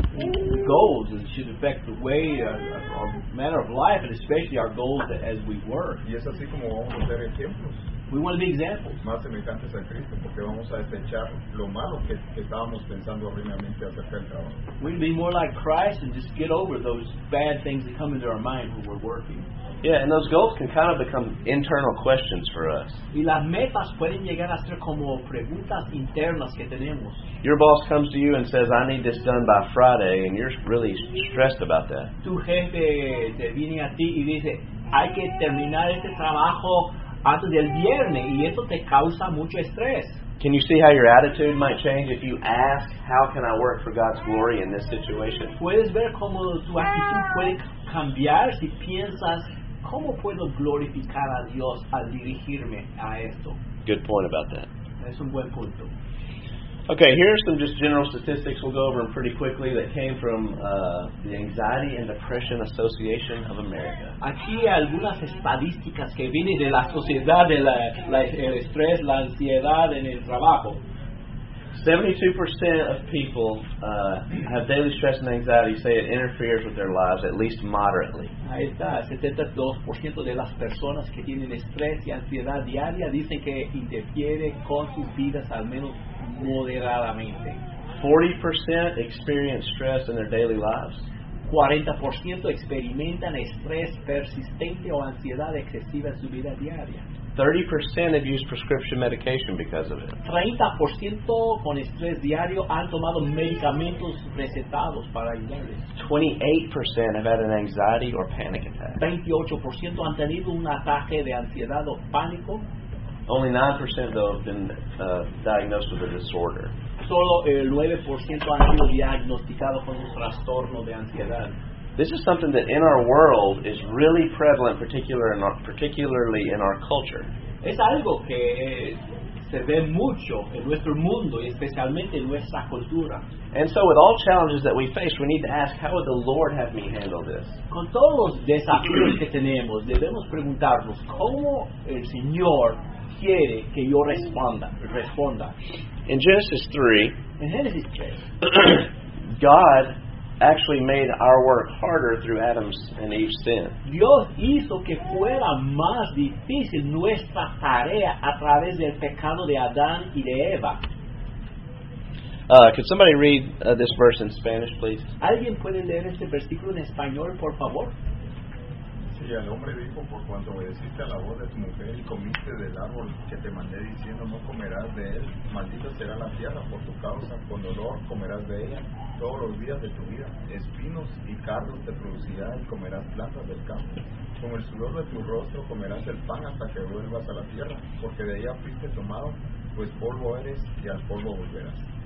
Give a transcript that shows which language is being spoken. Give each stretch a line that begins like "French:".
English: The goals should affect the way our manner of life and especially our goals as we work.
Spanish: Y es así como vamos a ver ejemplos.
English: We want to be examples.
Spanish: Más semejantes a Cristo, porque vamos a desechar lo malo que estábamos pensando originalmente acerca del trabajo.
English: We can be more like Christ and just get over those bad things that come into our mind when we're working. Yeah, and those goals can kind of become internal questions for us.
Spanish: Y las metas pueden llegar a ser como preguntas internas que tenemos.
English: Your boss comes to you and says, "I need this done by Friday," and you're really stressed about that.
Spanish: Tu jefe te viene a ti y dice, "Hay que terminar este trabajo antes del viernes," y eso te causa mucho estrés.
English: Can you see how your attitude might change if you ask, "How can I work for God's glory in this situation?"
Spanish: Puedes ver cómo tu actitud puede cambiar si piensas, ¿cómo puedo glorificar a Dios al dirigirme a esto?
English: Good point about that.
Spanish: Es un buen punto.
English: Okay, here are some just general statistics we'll go over them pretty quickly that came from the Anxiety and Depression Association of America.
Spanish: Aquí hay algunas estadísticas que vienen de la sociedad de el estrés, la ansiedad en el trabajo.
English: 72% of people have daily stress and anxiety say it interferes with their lives at least moderately.
Spanish: Ahí está, 72% de las personas que tienen estrés y ansiedad diaria dicen que interfiere con sus vidas al menos moderadamente.
English: 40% experience stress in their daily lives.
Spanish: 40% experimentan estrés persistente o ansiedad excesiva en su vida diaria.
English: 30% have used prescription medication because of it.
Spanish: 30% con estrés diario han tomado medicamentos recetados para el estrés.
English: 28% have had an anxiety or panic attack.
Spanish: 28% han tenido un ataque de ansiedad o pánico.
English: Only 9% though have been diagnosed with a disorder.
Spanish: Solo el 9% han sido diagnosticados con un trastorno de ansiedad.
English: This is something that in our world is really prevalent, particularly in our culture.
Spanish: Es algo que se ve mucho en nuestro mundo y especialmente en nuestra cultura.
English: And so with all challenges that we face, we need to ask, how would the Lord have me handle this?
Spanish: Con todos los desafíos que tenemos, debemos preguntarnos, ¿cómo el Señor quiere que yo responda?
English: In Genesis 3, in Genesis 3 God actually made our work harder through Adam's and Eve's sin.
Spanish: Dios hizo que fuera más difícil nuestra tarea a través del pecado de Adán y de Eva.
English: Could somebody read this verse in Spanish, please?
Spanish: ¿Alguien puede leer este versículo en español, por favor? Sí, el hombre dijo, por cuanto obedeciste a la voz de tu mujer y comiste del árbol que te mandé diciendo no comerás de él, maldita será la tierra por tu causa, con dolor comerás de ella todos los días de tu vida, espinos y cardos te producirá y comerás plantas del campo, con el sudor de tu rostro comerás el pan hasta que vuelvas a la tierra, porque de ella fuiste tomado, pues polvo eres y al polvo volverás.